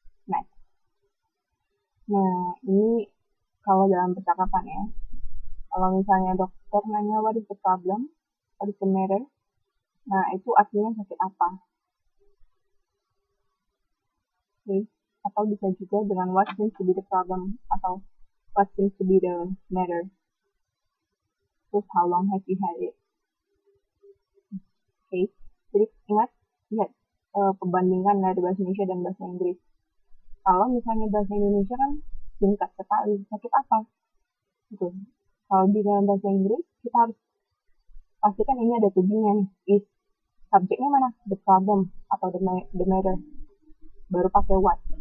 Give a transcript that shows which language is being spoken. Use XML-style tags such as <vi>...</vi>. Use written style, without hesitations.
<id>Next. Nah, ini kalau dalam percakapan ya. Kalau misalnya dokter nanya,</id> <en>what is the problem? What is the matter?</en> <id>Nah, itu artinya sakit apa? Oke. Atau bisa juga dengan</id> <en>what seems to be the problem? Atau what seems to be the matter? Terus, how long have you had it?</en> <id>Oke. Jadi, ingat. Lihat, perbandingan dari bahasa Indonesia dan bahasa Inggris. Kalau misalnya bahasa Indonesia kan singkat sekali, sakit apa? Gitu. Kalau di dalam bahasa Inggris, kita harus pastikan ini ada tujuannya. Is subjeknya mana? The problem atau the matter. Baru pakai what.</id>